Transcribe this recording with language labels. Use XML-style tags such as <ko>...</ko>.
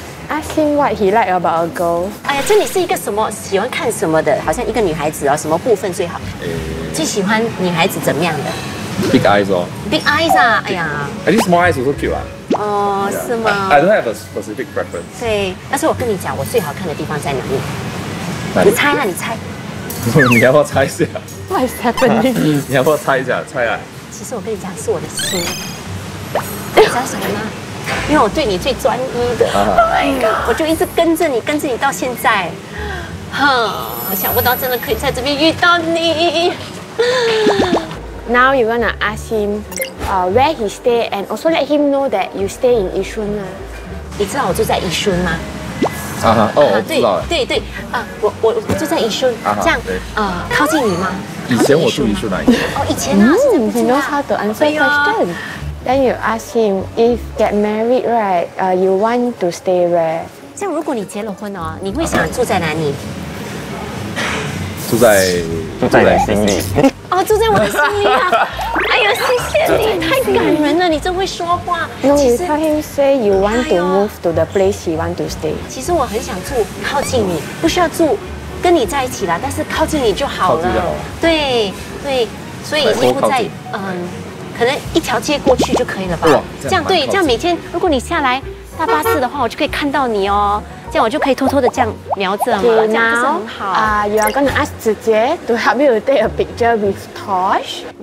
<en>Ask him what he like about a girl。</en> <zh>哎呀，这里是一个什么喜欢看什么的？好像一个女孩子哦，什么部分最好看？最喜欢女孩子怎么样的</zh> <en>？Big eyes 哦。 Big eyes 啊，哎呀。 I think small eyes also cute 啊。哦， yeah.</en> <zh>是吗</zh> <en>？I don't have a specific preference。</en> <zh>对，但是我跟你讲，我最好看的地方在哪里？你猜啊，你猜。你要不要猜一下</zh> <en>？What is happening？</en> <zh>你要不要猜一下？猜啊。其实我跟你讲，是我的心。你知道什么吗？因为我对你最专一的，我就一直跟着你，跟着你到现在，哼，我想不到真的可以在这边遇到你。</zh> <en>Now you wanna ask him, where he stay, and also let him know that you stay in Yishun.</en> <zh>你知道我住在Yishun吗？啊哈，哦，知道。对对，我住在Yishun，这样，靠近你吗？以前我住Yishun哪一边？哦，以前啊，现在不知道。</zh> <en>You know how to answer question. Then you ask him if get married, right? You want to stay where?</en> <zh>像如果你结了婚哦，你会想住在哪里？住在心里。哦，住在我的心里啊！哎呦，谢谢你，太感人了，你真会说话。</zh> <en>No, you tell him say you want to move to the place you want to stay.</en> <zh>其实我很想住靠近你，不需要住跟你在一起啦，但是靠近你就好了。对对，所以几乎在可能一条街过去就可以了吧？这样对，这样每天如果你下来大巴士的话，我就可以看到你哦。这样我就可以偷偷的这样瞄着嘛，这样不是很好啊</zh> <en>？You are gonna ask 姐姐 to help you take a picture with Tosh。</en>